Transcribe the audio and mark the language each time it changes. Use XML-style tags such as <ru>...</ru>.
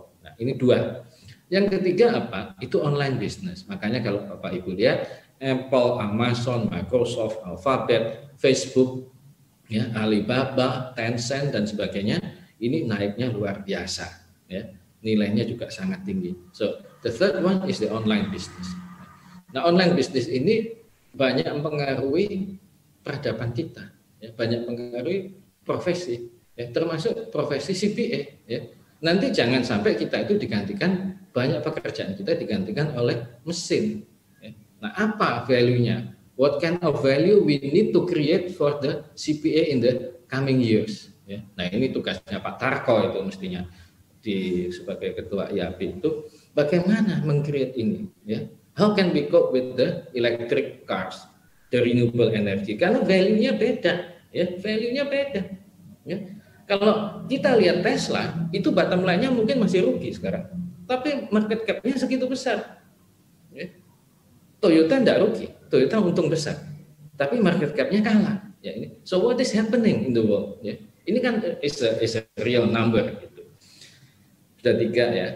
<id>Nah, ini dua. Yang ketiga apa? Itu online business. Makanya kalau Bapak Ibu lihat, Apple, Amazon, Microsoft, Alphabet, Facebook, ya, Alibaba, Tencent dan sebagainya, ini naiknya luar biasa, ya. Nilainya juga sangat tinggi.</id> <en>So, the third one is the online business.</en> <id>Nah, online business ini banyak mempengaruhi peradaban kita, ya, banyak mempengaruhi profesi, ya, termasuk profesi CPA, ya. Nanti jangan sampai kita itu digantikan, banyak pekerjaan kita digantikan oleh mesin. Nah, apa value-nya?</id> <en>What kind of value we need to create for the CPA in the coming years?</en> <id>Ya. Nah, ini tugasnya Pak Tarko itu mestinya di sebagai ketua IAP itu. Bagaimana meng-create ini? Ya.</id> <en>How can we cope with the electric cars, the renewable energy?</en> <id>Karena value-nya beda. Ya. Value-nya beda. Ya. Kalau kita lihat Tesla, itu bottom line-nya mungkin masih rugi sekarang. Tapi market cap-nya segitu besar. Ya. Toyota tidak rugi, Toyota untung besar, tapi market cap-nya kalah. Ya, ini.</id> <en>So what is happening in the world?</en> <id>Ya, ini kan</id> <en>is a real number.</en> <id>Gitu. Sudah tiga ya.</id>